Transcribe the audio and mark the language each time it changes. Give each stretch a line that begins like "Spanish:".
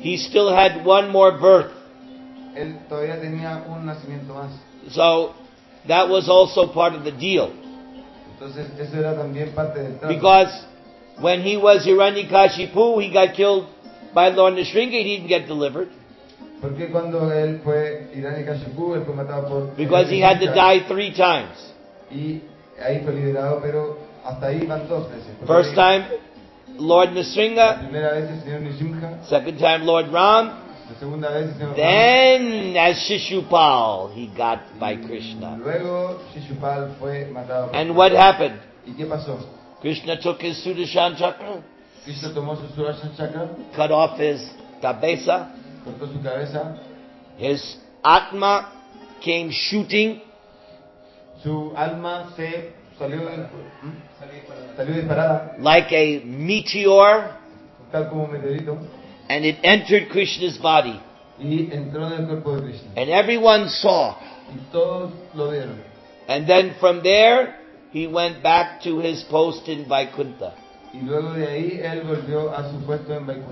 English: he still had one more birth.
Spanish: Él todavía tenía un nacimiento más.
English: So, that was also part of the deal.
Spanish: Entonces, eso era también parte del trato.
English: Because when he was Hiranyakashipu, he got killed by Lord Nrisimha, he didn't get delivered.
Spanish: Porque cuando él fue Hiranyakashipu, él fue matado por
English: because he had to die three times.
Spanish: Y ahí fue liberado, pero hasta ahí van dos veces.
English: First time, Lord Nrisimha.
Spanish: La primera vez, señor Nrisimha.
English: Second time, Lord Ram. Then, as Shishupal, he got by Krishna.
Spanish: Luego, Shishupal fue matado por
English: and Krishna. What happened?
Spanish: ¿Y qué pasó?
English: Krishna took his Sudarshan chakra.
Spanish: Krishna tomó su Sudarshan chakra.
English: Cut off his cabeza.
Spanish: Cortó su cabeza.
English: His atma came shooting.
Spanish: Su alma se salió disparada.
English: Like a meteor.
Spanish: Tal como un meteorito.
English: And it entered Krishna's body.
Spanish: Y entró en el cuerpo de Krishna.
English: And everyone saw.
Spanish: Y todos lo vieron.
English: And then from there, he went back to his post in Vaikuntha.
Spanish: Y luego de ahí, él volvió a su puesto en Vaikuntha.